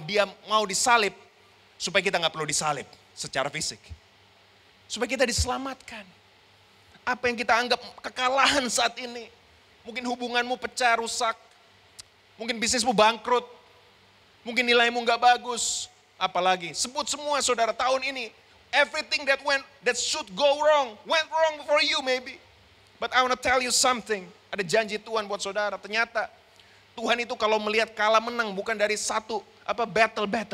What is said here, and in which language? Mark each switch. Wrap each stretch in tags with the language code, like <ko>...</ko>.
<id>Dia mau disalib, supaya kita gak perlu disalib secara fisik. Supaya kita diselamatkan. Apa yang kita anggap kekalahan saat ini? Mungkin hubunganmu pecah, rusak. Mungkin bisnismu bangkrut. Mungkin nilaimu gak bagus. Apalagi, sebut semua, saudara, tahun ini.</id> <en>Everything that went, that should go wrong, went wrong for you maybe. But I want to tell you something.</en> <id>Ada janji Tuhan buat saudara. Ternyata Tuhan itu kalau melihat kalah menang bukan dari satu apa battle.</id>